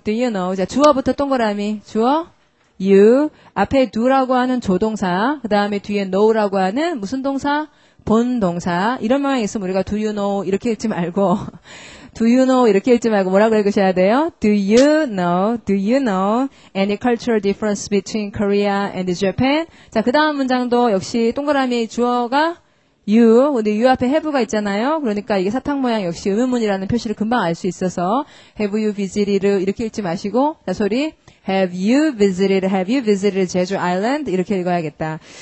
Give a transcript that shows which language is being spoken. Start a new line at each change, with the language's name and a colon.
English: Do you know?
Korean: 자, 주어부터 동그라미. 주어? You. 앞에 do라고 하는 조동사. 그 다음에 뒤에 know라고 하는 무슨 동사? 본 동사. 이런 모양이 있으면 우리가
English: do you know?
Korean: 이렇게 읽지 말고.
English: Do you know?
Korean: 이렇게 읽지 말고 뭐라고 읽으셔야 돼요?
English: Do you know? Do you know? Any cultural difference between Korea and Japan?
Korean: 자, 그 다음 문장도 역시 동그라미 주어가 you, 근데 you 앞에 have가 있잖아요. 그러니까 이게 사탕 모양 역시 의문문이라는 표시를 금방 알 수 있어서 have you visited 이렇게 읽지 마시고 자, 소리
English: have you visited, have you visited
Korean: 제주 island 이렇게 읽어야겠다.